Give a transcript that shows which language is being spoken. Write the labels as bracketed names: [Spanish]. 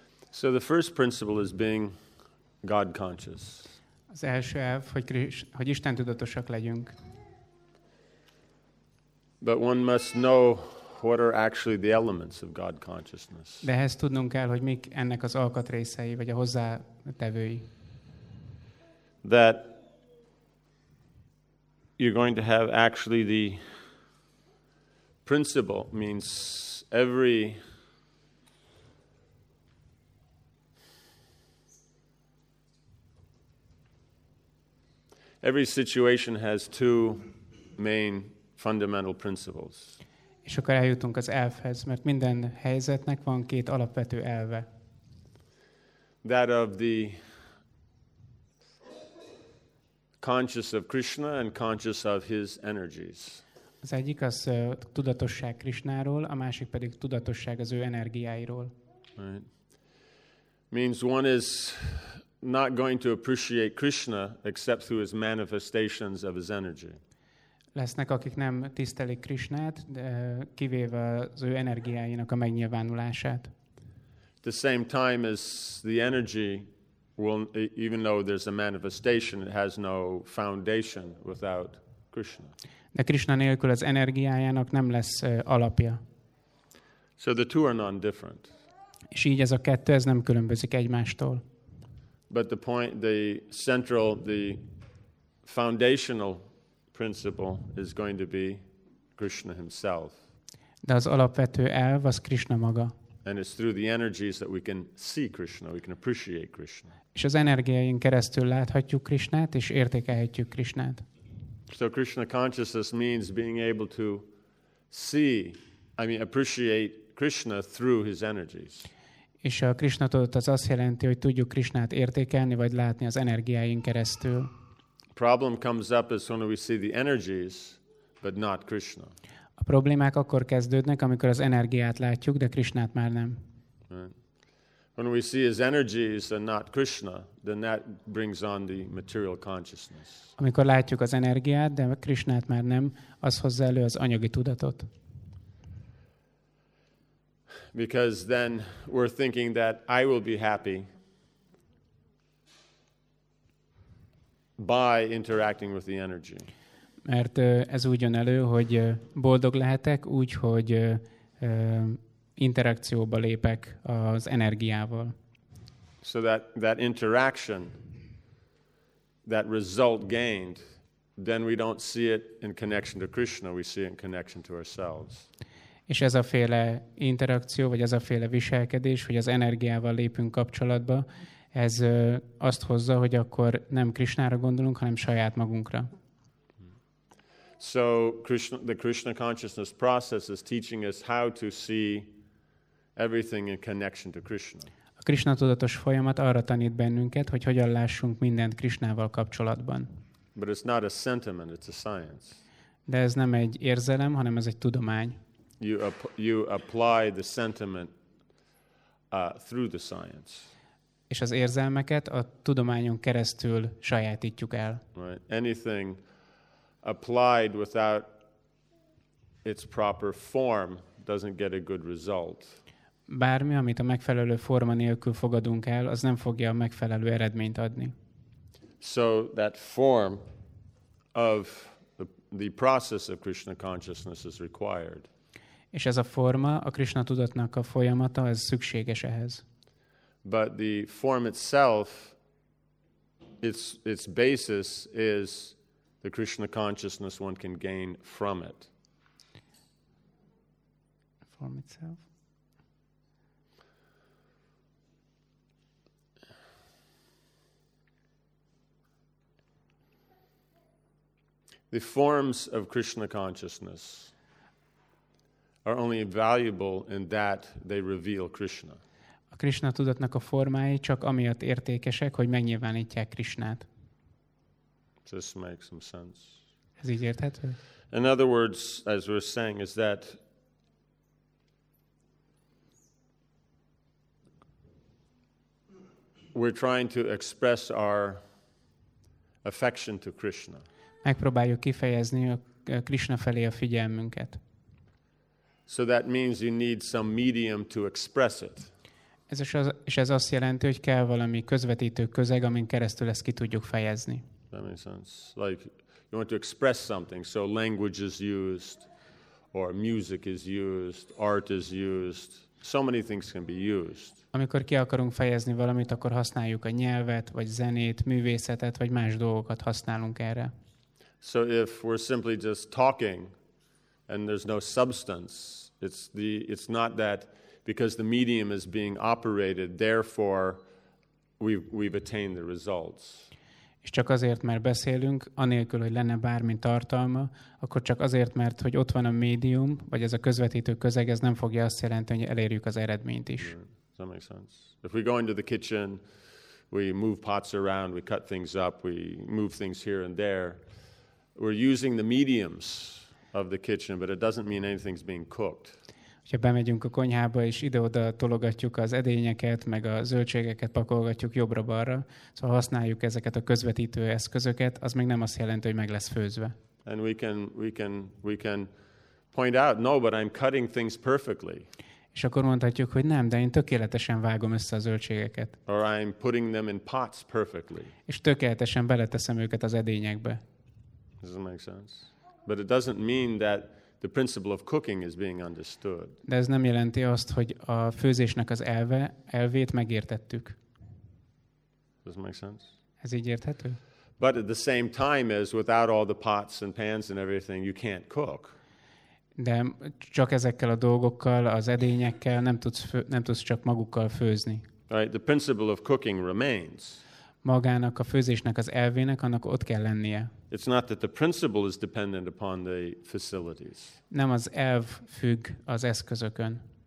[English] So the first principle is being God conscious. [Hungarian] Az első elv, hogy Isten tudatosak legyünk. [English] But one must know what are actually the elements of God consciousness. [Hungarian] De ehhez tudnunk kell, hogy mik ennek az alkatrészei vagy a hozzátevői. [English] That you're going to have actually the principle means every situation has two main fundamental principles. [Hungarian] És akkor eljutunk az elvhez, mert minden helyzetnek van két alapvető elve. [English] That of the conscious of Krishna and conscious of his energies. [Hungarian] Az egyik az tudatosság Krishnáról, a másik pedig tudatosság az ő energiáiról. [English] Right. Means one is not going to appreciate Krishna except through his manifestations of his energy. [Hungarian] Lesznek, akik nem tisztelik Krishnát, kivéve az ő energiáinak a megnyilvánulását. [English] At the same time as the energy will, even though there's a manifestation, it has no foundation without Krishna. [Hungarian] De Krishna nélkül az energiájának nem lesz alapja. [English] So the two are non-different. [Hungarian] És így ez a kettő, ez nem különbözik egymástól. [English] But the point, the central, the foundational principle is going to be Krishna himself. [Hungarian] De az alapvető elv az Krishna maga. [English] And it's through the energies that we can see Krishna, we can appreciate Krishna. [Hungarian] És az energiáin keresztül láthatjuk Krishnát és értékelhetjük Krishnát. [English] So Krishna consciousness means being able to see, I mean appreciate Krishna through his energies. [Hungarian] És a Krishna tudat az azt jelenti, hogy tudjuk Krishnát értékelni vagy látni az energiáin keresztül. [English] Problem comes up as soon as we see the energies, but not Krishna. [Hungarian] A problémák akkor kezdődnek, amikor az energiát látjuk, de Krishnát már nem. [English] Right. When we see his energies and not Krishna, then that brings on the material consciousness. [Hungarian] Amikor látjuk az energiát, de Krishnát már nem, az hozza elő az anyagi tudatot. [English] Because then we're thinking that I will be happy by interacting with the energy. [Hungarian] Mert ez úgy jön elő, hogy boldog lehetek úgy, hogy interakcióba lépek az energiával. [English] So that interaction, that result gained, then we don't see it in connection to Krishna, we see it in connection to ourselves. [Hungarian] És ez a féle interakció, vagy ez a féle viselkedés, hogy az energiával lépünk kapcsolatba, ez azt hozza, hogy akkor nem Krishnára gondolunk, hanem saját magunkra. [English] So Krishna, the Krishna consciousness process is teaching us how to see everything in connection to Krishna. [Hungarian] A Krishna tudatos folyamat arra tanít bennünket, hogy hogyan lássunk mindent Krishnával kapcsolatban. [English] But it's not a sentiment, it's a science. [Hungarian] De ez nem egy érzelem, hanem ez egy tudomány. [English] You apply the sentiment through the science. [Hungarian] És az érzelmeket a tudományon keresztül sajátítjuk el. [English] Right. Anything applied without its proper form doesn't get a good result. [Hungarian] Bármi, amit a megfelelő forma nélkül fogadunk el, az nem fogja a megfelelő eredményt adni. [English] So that form of the process of Krishna consciousness is required. [Hungarian] És ez a forma, a Krishna tudatnak a folyamata, ez szükséges ehhez. [English] But the form itself, its basis is the Krishna consciousness one can gain from it. Form itself. The forms of Krishna consciousness are only valuable in that they reveal Krishna. [Hungarian] A Krishna tudatnak a formái csak amiatt értékesek, hogy megnyilvánítják Krishnát. [English] This makes some sense. [Hungarian] Ez így érthető? [English] In other words, as we're saying, is that we're trying to express our affection to Krishna. [Hungarian] Megpróbáljuk kifejezni a Krishna felé a figyelmünket. [English] So that means you need some medium to express it. [Hungarian] És ez azt jelenti, hogy kell valami közvetítő közeg, amin keresztül ezt ki tudjuk fejezni. [English] That makes sense. Like you want to express something, so language is used, or music is used, art is used. So many things can be used. [Hungarian] Amikor ki akarunk fejezni valamit, akkor használjuk a nyelvet, vagy zenét, művészetet, vagy más dolgokat használunk erre. [English] So if we're simply just talking and there's no substance, it's not that because the medium is being operated, therefore we've attained the results. [Hungarian] És csak azért, mert beszélünk, anélkül, hogy lenne bármi tartalma, akkor csak azért, mert hogy ott van a médium, vagy ez a közvetítő közeg, ez nem fogja azt jelenteni, hogy elérjük az eredményt is. [English] Does that make sense? If we go into the kitchen, we move pots around, we cut things up, we move things here and there, we're using the mediums of the kitchen, but it doesn't mean anything's being cooked. [Hungarian] Ha bemegyünk a konyhába, és ide-oda tologatjuk az edényeket, meg a zöldségeket pakolgatjuk jobbra-balra, szóval használjuk ezeket a közvetítő eszközöket, az még nem azt jelenti, hogy meg lesz főzve. [English] And we can point out, no, but I'm cutting things perfectly. [Hungarian] És akkor mondhatjuk, hogy nem, de én tökéletesen vágom össze a zöldségeket. [English] Or I'm putting them in pots perfectly. [Hungarian] És tökéletesen beleteszem őket az edényekbe. [English] Does that make sense? But it doesn't mean that the principle of cooking is being understood. [Hungarian] De ez nem jelenti azt, hogy a főzésnek az elvét megértettük. [English] Does that make sense? [Hungarian] Ez így érthető? [English] But at the same time as without all the pots and pans and everything, you can't cook. [Hungarian] De csak ezekkel a dolgokkal, az edényekkel nem tudsz csak magukkal főzni. [English] Right, the principle of cooking remains. [Hungarian] Magának a főzésnek az elvének annak ott kell lennie. [English] It's not that the principle is dependent upon the facilities. [Hungarian] Nem az elv függ az eszközökön.